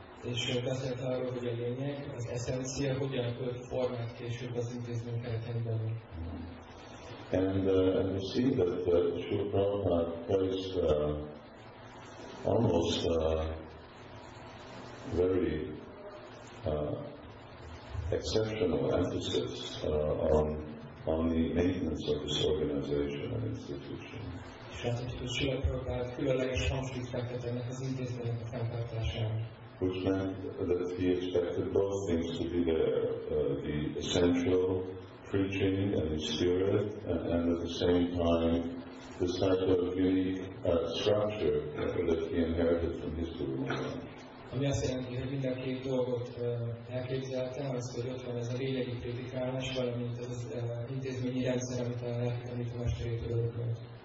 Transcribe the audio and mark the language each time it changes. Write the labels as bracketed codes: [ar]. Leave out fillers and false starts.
[hu] És beszélt arról, hogy a lényeg, az eszencia, hogyan költ formát később az intézmény keretén belül. [en] And you see that Srila Prabhupada placed almost very exceptional emphasis on on the maintenance of this organization and institution. Which meant that he expected both things to be there, the essential preaching and the spirit, and at the same time, this type of unique structure that he inherited from his Guru Maharaj. [hu] Ami azt jelenti, hogy mind a két dolgot elképzeltem, az, hogy ott van ez a lényegi prédikálás, valamint az intézményi rendszer, amit a lelkedik mesterétől örökölt.